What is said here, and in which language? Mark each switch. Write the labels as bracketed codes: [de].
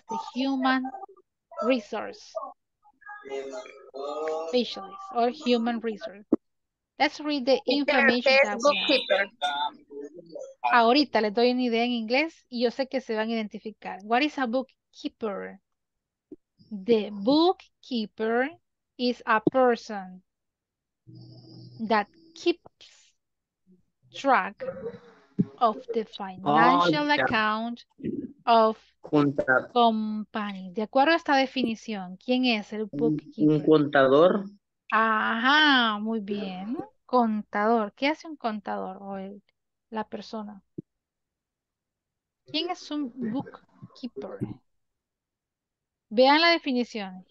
[en] The human resource. Specialist or human resource. Let's read the information. [es] Ahorita les doy una idea en inglés y yo sé que se van a identificar. [en] What is a bookkeeper? The bookkeeper is a person that keeps track of the financial account of [es] contador. [en] Company. [es] De acuerdo a esta definición, ¿quién es el bookkeeper? Un contador. Ajá, muy bien. Contador. ¿Qué hace un contador o el, la persona? ¿Quién es un bookkeeper? Vean la definición.